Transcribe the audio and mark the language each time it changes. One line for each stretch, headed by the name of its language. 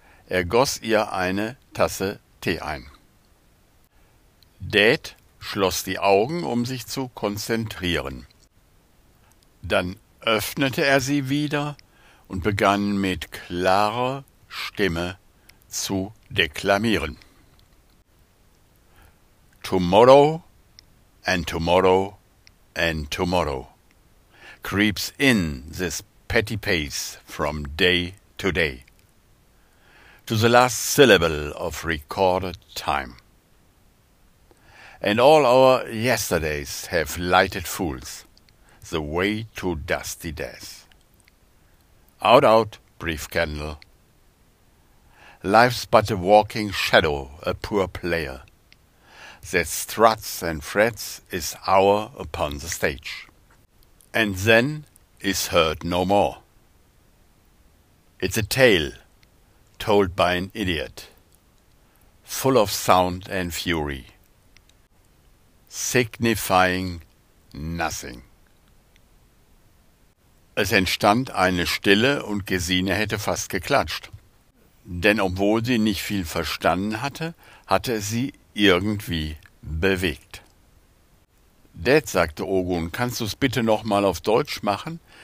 German: Er goss ihr eine Tasse Tee ein. Dad schloss die Augen, um sich zu konzentrieren. Dann öffnete er sie wieder und begann mit klarer Stimme zu deklamieren.
English: Tomorrow and tomorrow and tomorrow creeps in this petty pace from day to day to the last syllable of recorded time. And all our yesterdays have lighted fools the way to dusty death. Out, out, brief candle. Life's but a walking shadow, a poor player, that struts and frets its hour upon the stage, and then is heard no more. It's a tale told by an idiot, full of sound and fury, signifying nothing.
German: Es entstand eine Stille und Gesine hätte fast geklatscht. Denn obwohl sie nicht viel verstanden hatte, hatte es sie irgendwie bewegt. Dad, sagte Ogun, kannst du es bitte noch mal auf Deutsch machen?